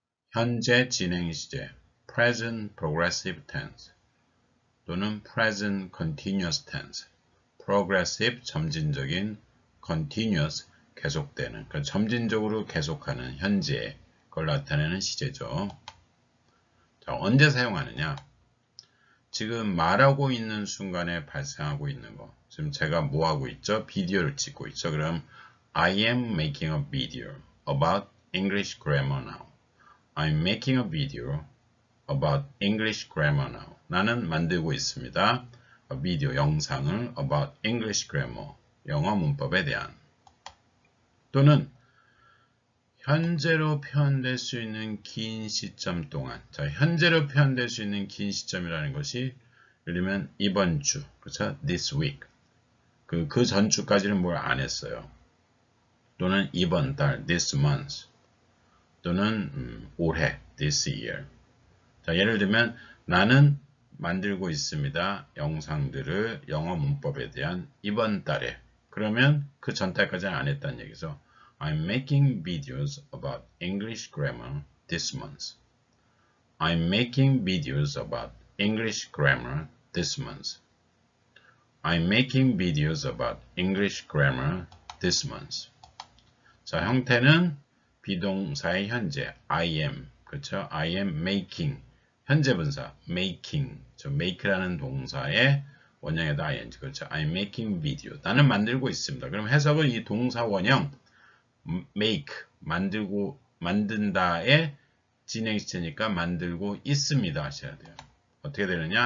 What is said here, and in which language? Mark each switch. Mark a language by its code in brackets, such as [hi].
[ko] 현재 진행 시제, present progressive tense 또는 present continuous tense, progressive 점진적인, continuous 계속되는, 그러니까 점진적으로 계속하는 현재 그걸 나타내는 시제죠. 자, 언제 사용하느냐? 지금 말하고 있는 순간에 발생하고 있는 거. 지금 제가 뭐 하고 있죠? 비디오를 찍고 있죠? 그럼 [en] I am making a video about English grammar now. I'm making a video about English grammar now. [ko] 나는 만들고 있습니다. [en] A video [ko] 영상을 [en] about English grammar [ko] 영어 문법에 대한. 또는 현재로 표현될 수 있는 긴 시점 동안. 자, 현재로 표현될 수 있는 긴 시점이라는 것이, 예를 들면, 이번 주. 그렇죠? [en] This week. [ko] 그 전주까지는 뭘안 했어요. 또는 이번 달. [en] This month. [ko] 또는 올해. [en] This year. [ko] 자, 예를 들면, 나는 만들고 있습니다. 영상들을 영어 문법에 대한 이번 달에. 그러면 그 전달까지는 안 했다는 얘기죠. [en] I'm making videos about English grammar this month. I'm making videos about English grammar this month. I'm making videos about English grammar this month. [ko] 자, 형태는 비동사의 현재, I am, 그렇죠? [en] I am making, [ko] 현재 분사, making, 저 make라는 동사의 원형에다 ing, 그렇죠? [en] I'm making video, [ko] 나는 만들고 있습니다. 그럼 해석은 이 동사 원형, make, 만들고, 만든다의 진행시체니까 만들고 있습니다 하셔야 돼요. 어떻게 되느냐?